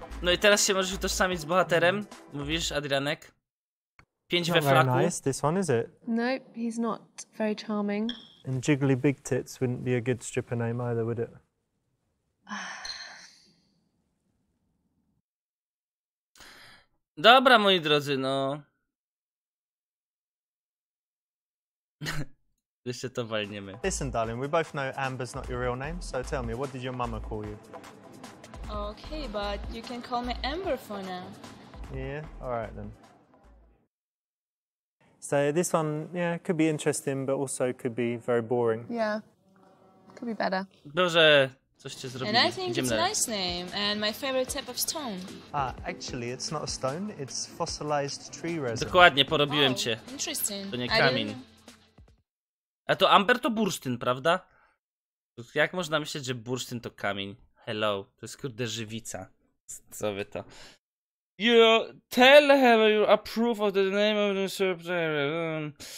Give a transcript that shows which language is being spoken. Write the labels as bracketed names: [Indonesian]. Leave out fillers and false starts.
[Polish] No i teraz się możesz utożsamić z bohaterem. Mówisz, Adrianek. Pięć we flaku. [English] Not very nice, this one, is it? Nope, he's not very charming. And Jiggly Big Tits wouldn't be a good stripper name either, would it? [Polish] Dobra, moi drodzy, no. Jeszcze to walniemy. [English] Listen, darling, we both know Amber's not your real name, so tell me, what did your mama call you? Okay, but you can call me Amber for now. Yeah, alright then. So this one, yeah, could be interesting, but also could be very boring. Yeah, could be better. [Polish] Boże, Coś cię zrobili. [English] And I think it's a nice name and my favorite type of stone. Actually, it's not a stone, it's fossilized tree resin. [Polish] Dokładnie, porobiłem cię. [English] Interesting. [Polish] To nie kamień. A to amber to bursztyn, prawda? Jak można myśleć, że bursztyn to kamień? Hello, to jest kurde żywica. Co wy to? [English] You tell her you approve of the name of the surprise.